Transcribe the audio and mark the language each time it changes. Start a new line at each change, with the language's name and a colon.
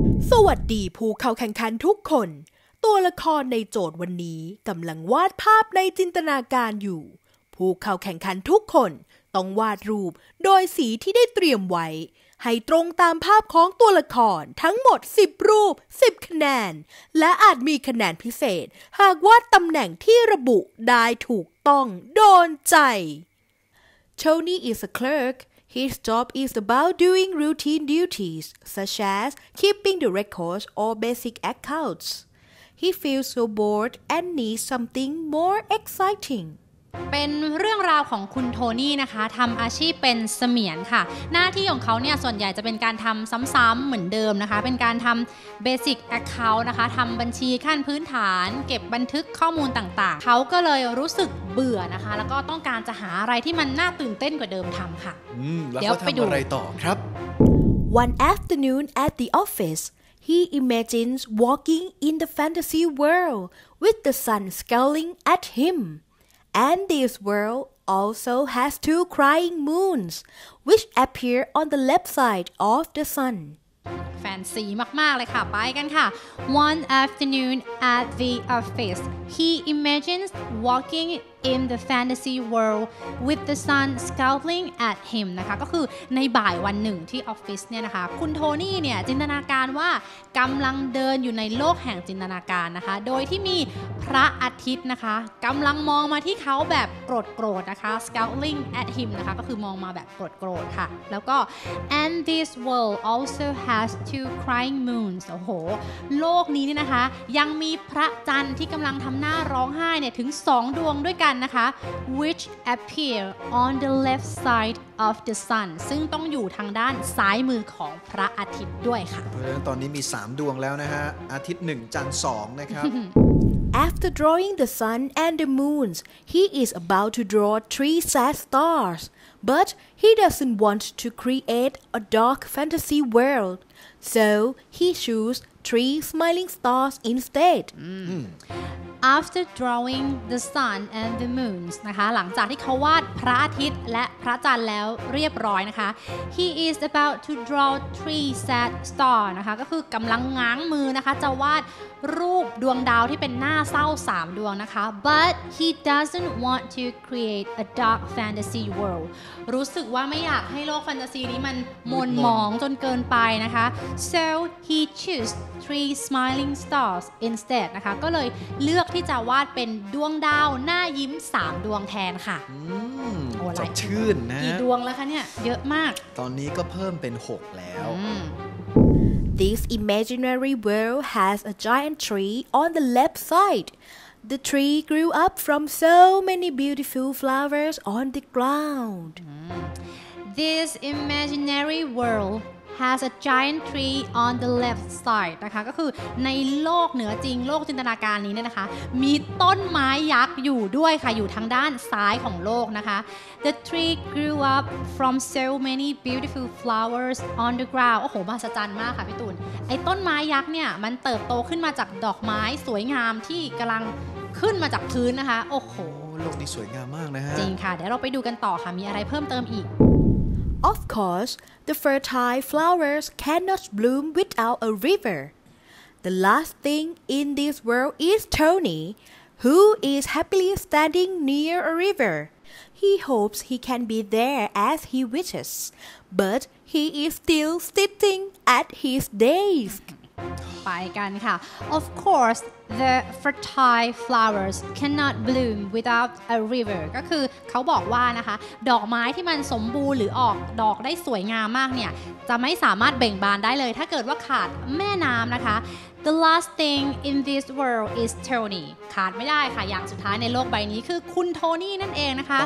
Thai: สวัสดีผู้เข้าแข่งขันทุกคนตัวละครในโจทย์วันนี้กำลังวาดภาพในจินตนาการอยู่ผู้เข้าแข่งขันทุกคนต้องวาดรูปโดยสีที่ได้เตรียมไว้ให้ตรงตามภาพของตัวละครทั้งหมด10รูป10คะแนนและอาจมีคะแนนพิเศษหากวาดตำแหน่งที่ระบุได้ถูกต้องโดนใจ
English: Tony is a clerk. His job is about doing routine duties such as keeping the records or basic accounts. He feels so bored and needs something more exciting
Thai: เป็นเรื่องราวของคุณโทนี่นะคะทำอาชีพเป็นเสมียนค่ะหน้าที่ของเขาเนี่ยส่วนใหญ่จะเป็นการทำซ้ำๆเหมือนเดิมนะคะเป็นการทำเบสิกแอคเคาท์นะคะทำบัญชีขั้นพื้นฐานเก็บบันทึกข้อมูลต่างๆเขาก็เลยรู้สึกเบื่อนะคะแล้วก็ต้องการจะหาอะไรที่มันน่าตื่นเต้นกว่าเดิมทำค่ะ เดี๋ยวไปดูอะไรต่อครับ
English: One afternoon at the officeHe imagines walking in the fantasy world with the sun scowling at him. And this world also has two crying moons, which appear on the left side of the sun.
Thai: Fancy มากๆเลยค่ะไปกันค่ะ
English: One afternoon at the office, he imagines walking in the fantasy world with the sun scowling at him
Thai: นะคะก็คือในบ่ายวันหนึ่งที่ออฟฟิศเนี่ยนะคะคุณโทนี่เนี่ยจินตนาการว่า กำลังเดินอยู่ในโลกแห่งจินตนาการนะคะโดยที่มีพระอาทิตย์นะคะกำลังมองมาที่เขาแบบโกรธๆนะคะ
English: scowling at him
Thai: นะคะก็คือมองมาแบบโกรธๆค่ะแล้วก็
English: and this world also has two crying moons
Thai: โอ้โห โลกนี้เนี่ยนะคะยังมีพระจันทร์ที่กำลังทำหน้าร้องไห้เนี่ยถึง2ดวงด้วยกันนะคะ
English: which appear on the left side of the sun
Thai: ซึ่งต้องอยู่ทางด้านซ้ายมือของพระอาทิตย์ด้วยค่ะ เพราะฉะนั้นตอนนี้มี3ดวงแล้วนะฮะอาทิตย์1จันทร์2นะครับ
English: After drawing the sun and the moons he is about to draw three sad stars but he doesn't want to create a dark fantasy world so he chooses three smiling stars instead after drawing the sun and the moons
Thai: นะคะหลังจากที่เขาวาดพระอาทิตย์และพระจันทร์แล้วเรียบร้อยนะคะ
English: he is about to draw three sad stars
Thai: นะคะก็คือกำลังง้างมือนะคะจะวาด รูปดวงดาวที่เป็นหน้าเศร้า3ดวงนะคะ
English: but he doesn't want to create a dark fantasy world
Thai: รู้สึกว่าไม่อยากให้โลกแฟนตาซีนี้มันมนหมองจนเกินไปนะคะ
English: so he chose three smiling stars instead
Thai: นะคะก็เลยเลือกที่จะวาดเป็นดวงดาวหน้ายิ้ม3ดวงแทนค่ะ สดชื่นนะ กี่ดวงแล้วคะเนี่ยเยอะมาก ตอนนี้ก็เพิ่มเป็น6แล้ว
English: This imaginary world has a giant tree on the left side. The tree grew up from so many beautiful flowers on the ground. This imaginary world has a giant tree on the left side.
Thai: นะคะก็คือในโลกเหนือจริงโลกจินตนาการนี้เนี่ยนะคะมีต้นไม้ยักษ์อยู่ด้วยค่ะอยู่ทางด้านซ้ายของโลกนะคะ
English: The tree grew up from so many beautiful flowers on the ground.
Thai: โอ้โหมหัศจรรย์มากค่ะพี่ตูนไอ้ต้นไม้ยักษ์เนี่ยมันเติบโตขึ้นมาจากดอกไม้สวยงามที่กำลังขึ้นมาจากพื้นนะคะโอ้โห โลกนี้สวยงามมากนะฮะ จริงค่ะเดี๋ยวเราไปดูกันต่อค่ะมีอะไรเพิ่มเติมอีก
English: Of course, the fertile flowers cannot bloom without a river. The last thing in this world is Tony, who is happily standing near a river. He hopes he can be there as he wishes, but he is still sitting at his desk.
Thai: ไปกันค่ะ
English: Of course, the fertile flowers cannot bloom without a river
Thai: ก็คือเขาบอกว่านะคะดอกไม้ที่มันสมบูรณ์หรือออกดอกได้สวยงามมากเนี่ยจะไม่สามารถเบ่งบานได้เลยถ้าเกิดว่าขาดแม่น้ำนะคะ
English: The last thing in this world is Tony
Thai: ขาดไม่ได้ค่ะอย่างสุดท้ายในโลกใบนี้คือคุณโทนี่นั่นเองนะคะ